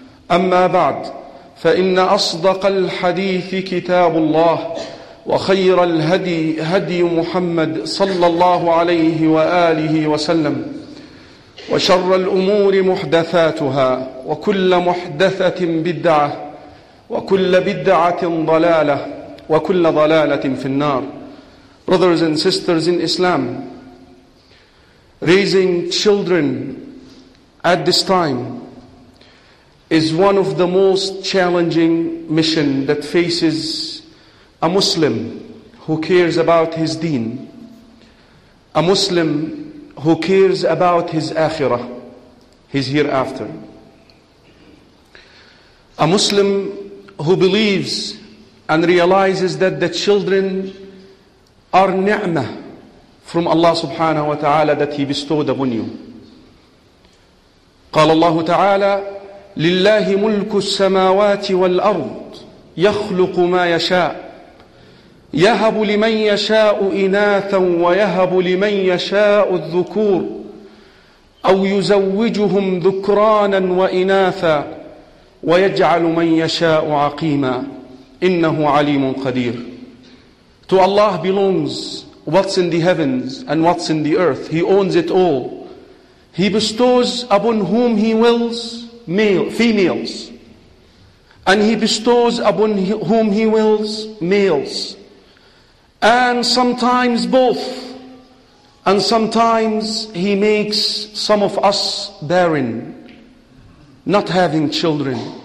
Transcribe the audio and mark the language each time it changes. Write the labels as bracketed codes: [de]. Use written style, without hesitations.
[ar] أما بعد، فإن أصدق الحديث كتاب الله، وخير الهدي هدي محمد صلى الله عليه وآله وسلم، وشر الأمور محدثاتها، وكل محدثة بدعة، وكل بدعة ضلالة، وكل ضلالة في النار. [en] Brothers and sisters in Islam, raising children at this time is one of the most challenging mission that faces a Muslim who cares about his deen, a Muslim who cares about his akhirah, his hereafter, a Muslim who believes and realizes that the children are ni'mah from Allah subhanahu wa ta'ala that he bestowed upon you. [ar] قال الله تعالى لله ملك السماوات والأرض يخلق ما يشاء يهب لمن يشاء إناثا ويهب لمن يشاء الذكور أو يزوجهم ذكرانا وإناثا ويجعل من يشاء عقيما إنه عليم قدير. [en] To Allah belongs what's in the heavens and what's in the earth. He owns it all. He bestows upon whom He wills females, and He bestows upon whom He wills males, and sometimes both, and sometimes He makes some of us barren, not having children.